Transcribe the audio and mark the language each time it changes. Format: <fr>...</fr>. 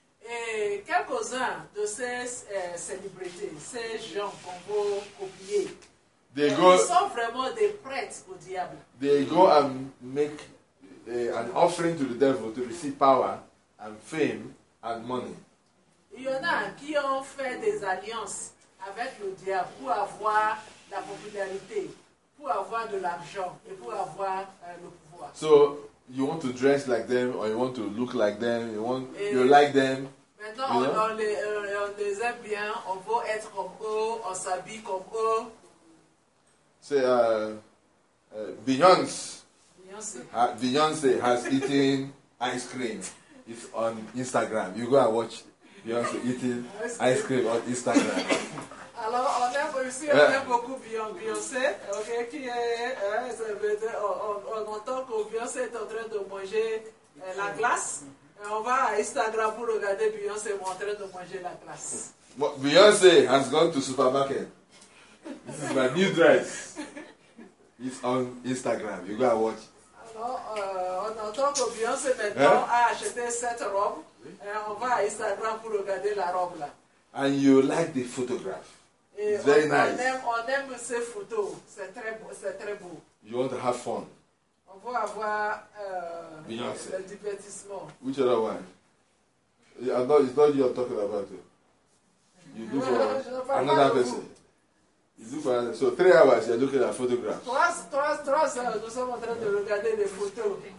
<fr>Et quelques-uns de ces célébrités, ces gens qu'on va copier, ils sont vraiment des prêtres au diable.</fr> <en>They go and make an offering to the devil to receive power and fame and money.</en> <fr>Il y en a qui ont fait des alliances avec le diable pour avoir la popularité, pour avoir de l'argent et pour avoir le pouvoir.</fr> <en>So you want to dress like them, or you want to look like them, you like them.</en> <fr>Maintenant,</fr> <en>you know?</en> <fr>on les aime bien, on veut être comme eux, on s'habille comme eux.</fr> <en>Say, Beyonce has eaten ice cream. It's on Instagram. You go and watch Beyonce eating ice cream on Instagram.</en> <fr>Alors, on aime</fr> <en>Beyoncé has gone to supermarket. This is my new dress. It's on Instagram. You go and watch.</en> <fr>Alors, on entend que Beyoncé maintenant a acheté cette robe. Et on va à Instagram pour regarder la robe là.</fr> <en>And you like the photograph. It's very nice.</en> <fr>On aime ces photos. C'est très beau.</fr> <en>You want to have fun.</en> <fr>On veut avoir Beyonce. Le divertissement.</fr> <en>Which other one? Yeah, no, it's not you I'm talking about. You look for another person. You look for another. So 3 hours you're looking at photographs.</en> <fr>Trois heures, nous sommes en train de regarder les photos.</fr>